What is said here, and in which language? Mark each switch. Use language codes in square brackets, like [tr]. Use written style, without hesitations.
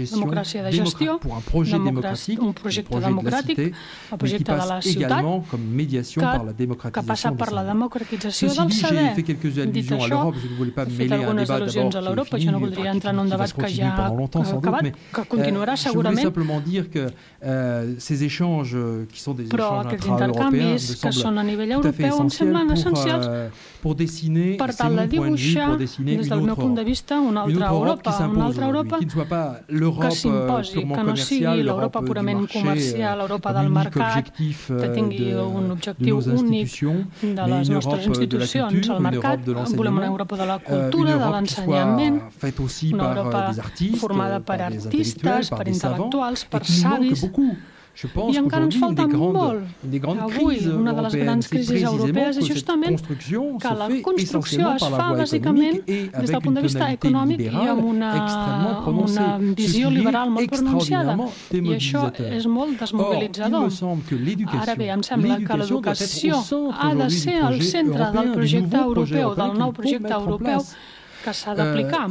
[ca] Democràcia de gestió, un projecte democràtic, el projecte de la ciutat, que passa per la democratització del saber. Dit això, he fet algunes al·lusions a l'Europa, jo no voldria entrar en un debat que ja ha acabat, que continuarà segurament. [fr] Je voulais simplement dire que ces échanges qui sont des [ca] però [fr] échanges intra-européens me semblent tout à fait essentiels pour dessiner, c'est mon point de vue, pour dessiner une autre Europe qui ne soit pas l'Europe purement commerciale, l'Europe du marché, l'Europe du marché, objectif de nos institutions, mais une Europe de la culture, une Europe de l'enseignement, une Europe qui soit faite aussi par des artistes, par des intellectuels, par des [ca] actuals, per savis, [fr] je pense [ca] i encara ens falta molt. Avui, una de les grans crisis europees és justament que la construcció es fa bàsicament des del punt de vista econòmic i amb una visió liberal molt pronunciada. I això és molt desmobilitzador. Ara bé, em sembla que l'educació ha de ser el centre del projecte europeu, del nou projecte europeu que s'ha d'aplicar.